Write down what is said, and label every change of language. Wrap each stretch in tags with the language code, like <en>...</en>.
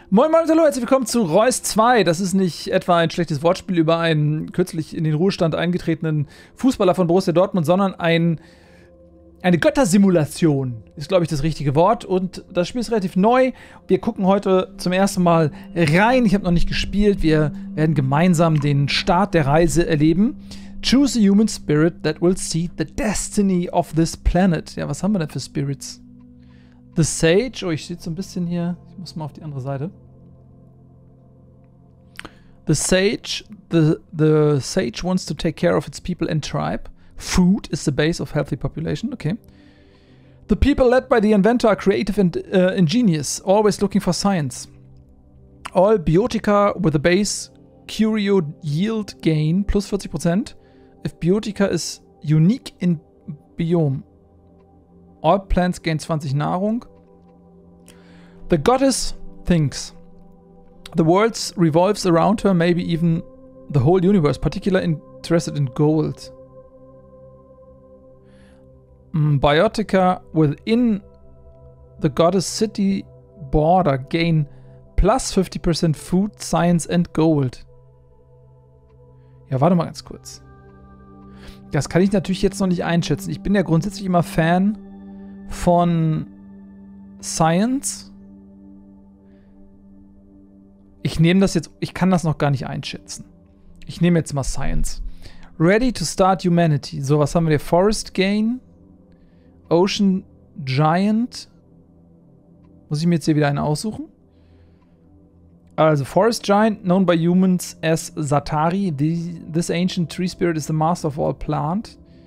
<de>Moin Moin und hallo, herzlich willkommen zu Reus 2. Das ist nicht etwa ein schlechtes Wortspiel über einen kürzlich in den Ruhestand eingetretenen Fußballer von Borussia Dortmund, sondern eine Göttersimulation ist, glaube ich, das richtige Wort. Und das Spiel ist relativ neu. Wir gucken heute zum ersten Mal rein. Ich habe noch nicht gespielt. Wir werden gemeinsam den Start der Reise erleben.</de> <en>Choose a human spirit that will see the destiny of this planet.</en> <de>Ja, was haben wir denn für Spirits? The Sage, oh, ich sitze so ein bisschen hier. Ich muss mal auf die andere Seite.</de> <en>The Sage, the Sage wants to take care of its people and tribe. Food is the base of healthy population. Okay. The people led by the inventor are creative and ingenious, always looking for science. All biotica with a base curio yield gain plus 40%. If biotica is unique in biome. All plants gain 20 Nahrung. The goddess thinks. The world revolves around her, maybe even the whole universe. Particularly interested in gold. Biotica within the goddess city border gain plus 50% food, science and gold.</en> <de>Ja, warte mal ganz kurz. Das kann ich natürlich jetzt noch nicht einschätzen. Ich bin ja grundsätzlich immer Fan von Science. Ich nehme das jetzt, ich kann das noch gar nicht einschätzen. Ich nehme jetzt mal Science.</de> <en>Ready to start humanity.</en> <de>So, was haben wir hier?</de> <en>Forest Gain, Ocean Giant.</en> <de>Muss ich mir jetzt hier wieder einen aussuchen?</de> <en>Also, Forest Giant, known by humans as Zatari. This ancient tree spirit is the master of all plant.</en>